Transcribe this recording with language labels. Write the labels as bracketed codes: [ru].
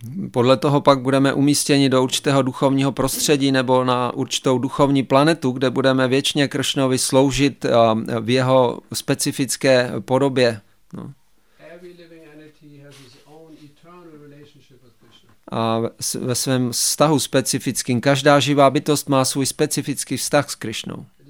[cs] Podle toho pak budeme umístěni do určitého duchovního prostředí nebo na určitou duchovní planetu, kde budeme věčně Krishnovi sloužit v jeho specifické podobě. No. [en] Every living entity has its own eternal relationship with Krishna. [cs] A ve svém vztahu specifickým každá živá bytost má svůj specifický vztah s Krishnou.